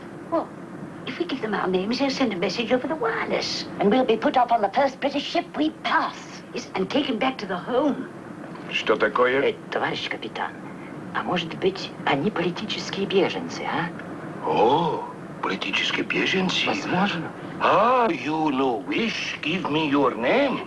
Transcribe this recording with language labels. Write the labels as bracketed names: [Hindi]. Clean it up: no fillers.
[English] Well, if we give them our names, they'll send a message over the wireless. And we'll be put up on the first British ship we pass. Yes, and taken back to the home. [Russian] Что такое? Товарищ капитан, а может быть, они политические беженцы, а? О, политические беженцы. Возможно. [English] А, you know which, give me your name.